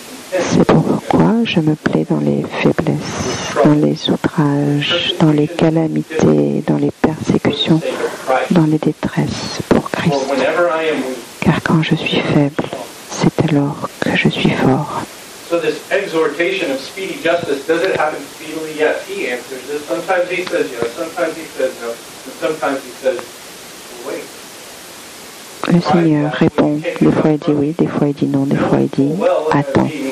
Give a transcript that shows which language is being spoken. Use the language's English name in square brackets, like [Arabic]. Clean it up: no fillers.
[French] C'est pourquoi je me plais dans les faiblesses, dans les outrages, dans les calamités, dans les persécutions, dans les détresses pour Christ. Car quand je suis faible, c'est alors que je suis fort. [English] So this exhortation of speedy justice doesn't happen speedily yet. He answers this. Sometimes he says yes, sometimes he says no, and sometimes he says wait. [French] Le Seigneur répond, des fois il dit oui, des fois il dit non, des fois il dit attends.